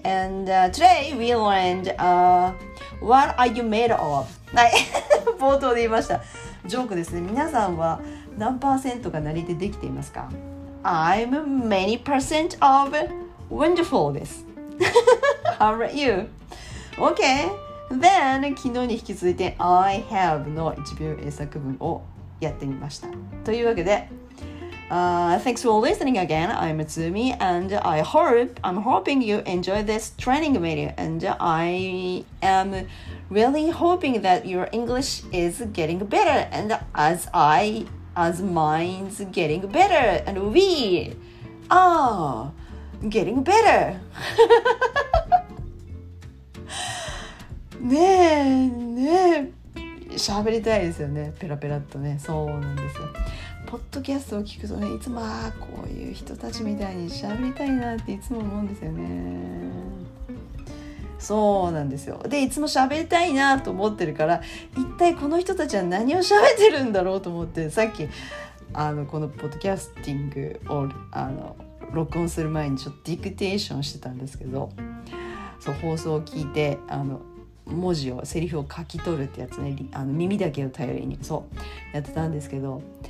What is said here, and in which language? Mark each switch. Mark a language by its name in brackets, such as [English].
[English] And today we learned What are you made of? [Japanese] はい、冒頭で言いました。ジョークですね。皆さんは何パーセントが何でできていますか? [English] I'm many percent of wonderful [Japanese] です。 [English] How about you? Okay. [Japanese] Then, 昨日に引き続いて I have の1秒英作文をやってみました。というわけで、 [English] thanks for listening again. I'm Tsumi and I'm hoping you enjoy this training video and I am really hoping that your English is getting better and as mine's getting better and we are getting better. [Japanese] ねえねえ、喋りたいですよね。ペラペラっとね。そうなんですよ。ポッドキャストを聞くとね、いつもこういう人たちみたいに喋りたいなっていつも思うんですよね。そうなんですよ。で、いつも喋りたいなと思ってるから、一体この人たちは何を喋ってるんだろうと思って、さっきこのポッドキャスティングを録音する前にちょっとディクテーションしてたんですけど、そう、放送を聞いて文字をセリフを書き取るってやつね、耳だけを頼りにそうやってたんですけど、